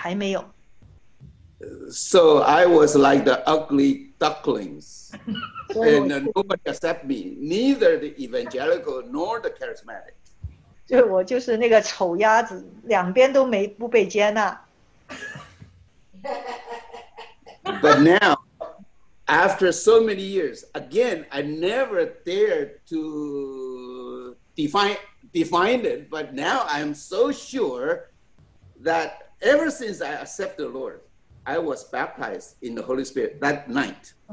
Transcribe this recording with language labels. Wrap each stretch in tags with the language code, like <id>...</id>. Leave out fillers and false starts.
<zh>就说没有领受圣灵的洗,你还没有。</zh> <en>So I was like the ugly ducklings. And nobody accepted me, neither the evangelical nor the charismatic.</en> <zh>就我就是那个丑鸭子,两边都没不被接纳。</zh> <en>But now, after so many years, again, I never dared to define it, but now I'm so sure that ever since I accepted the Lord, I was baptized in the Holy Spirit that night.</en>